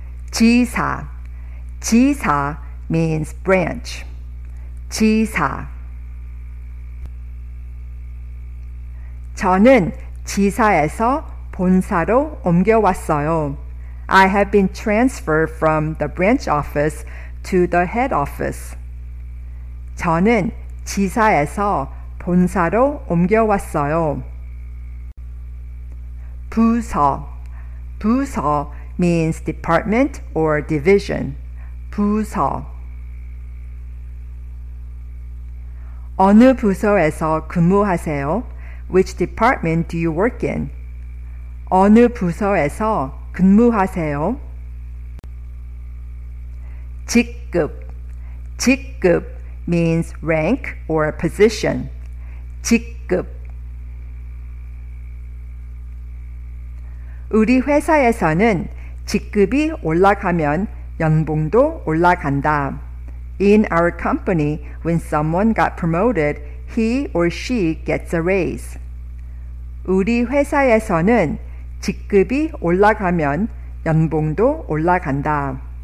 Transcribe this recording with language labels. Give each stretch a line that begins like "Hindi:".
English: 지사. 지사 means branch.
Korean: 지사 저는 지사에서 본사로 옮겨왔어요.
English: I have been transferred from the branch office to the head office.
Korean: 저는 지사에서 본사로 옮겨왔어요.
English: 부서 부서 means department or division. 부서
Korean: 어느 부서에서 근무하세요?
English: Which department do you work in?
Korean: 어느 부서에서 근무하세요?
English: 직급 직급 means rank or position.
Korean: 직급 우리 회사에서는 직급이 올라가면 연봉도 올라간다.
English: In our company, when someone got promoted, he or she gets a raise.
Korean: 우리 회사에서는 직급이 올라가면 연봉도 올라간다.